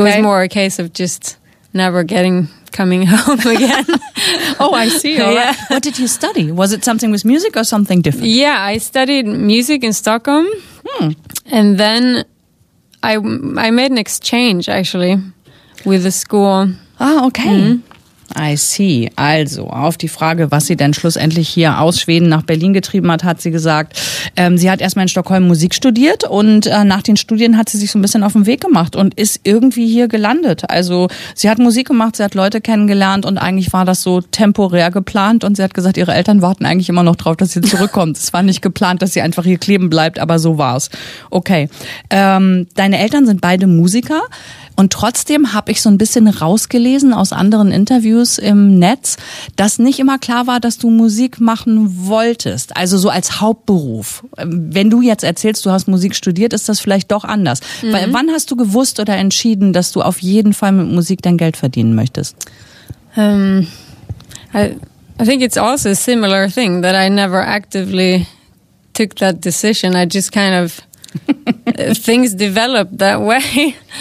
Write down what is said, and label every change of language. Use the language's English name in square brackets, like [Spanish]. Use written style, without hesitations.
[English] It was more a case of just never coming home again. Oh, I see. All right. What did you study? Was it something with music or something different? Yeah, I studied music in Stockholm. Hmm. And then I made an exchange actually with the school. Ah, okay. Mm-hmm. I see. [German] Also, auf die Frage, was sie denn schlussendlich hier aus Schweden nach Berlin getrieben hat, hat sie gesagt, sie hat erstmal in Stockholm Musik studiert und nach den Studien hat sie sich so ein bisschen auf den Weg gemacht und ist irgendwie hier gelandet. Also, sie hat Musik gemacht, sie hat Leute kennengelernt und eigentlich war das so temporär geplant und sie hat gesagt, ihre Eltern warten eigentlich immer noch drauf, dass sie zurückkommt. Es war nicht geplant, dass sie einfach hier kleben bleibt, aber so war's. Okay. Deine Eltern sind beide Musiker. Und trotzdem habe ich so ein bisschen rausgelesen aus anderen Interviews im Netz, dass nicht immer klar war, dass du Musik machen wolltest. Also so als Hauptberuf. Wenn du jetzt erzählst, du hast Musik studiert, ist das vielleicht doch anders. Mhm. Weil, wann hast du gewusst oder entschieden, dass du auf jeden Fall mit Musik dein Geld verdienen möchtest? [English] I think it's also a similar thing that I never actively took that decision. I just kind of things developed that way.